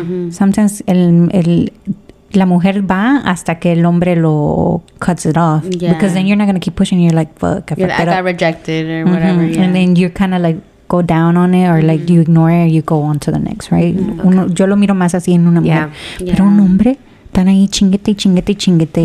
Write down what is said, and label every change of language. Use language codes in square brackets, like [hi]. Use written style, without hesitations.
[en] Sometimes [es] la mujer va hasta que el hombre lo [en] cuts it off. Yeah. Because then you're not going to keep pushing. You're like, fuck. I got rejected or whatever. Yeah. And then you kind of like go down on it, or like you ignore it, or you go on to the next, right? Okay. [es] Yo lo miro más así en una mujer. Yeah. Pero un hombre, están ahí chinguete, chinguete, chinguete.